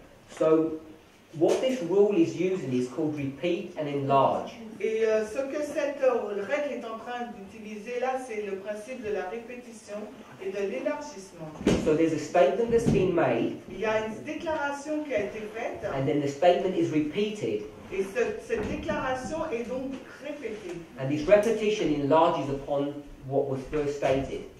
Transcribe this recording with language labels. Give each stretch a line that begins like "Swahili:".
English: So, what this rule is using is called repeat and enlarge.
French: Et ce que cette règle est en train d'utiliser là, c'est le principe de la répétition et de l'élargissement.
English: So there's a statement that's been made.
French: Il y a une déclaration qui a été faite.
English: And then the statement is repeated.
French: Et cette déclaration est donc répétée.
English: And this repetition enlarges upon what was first stated.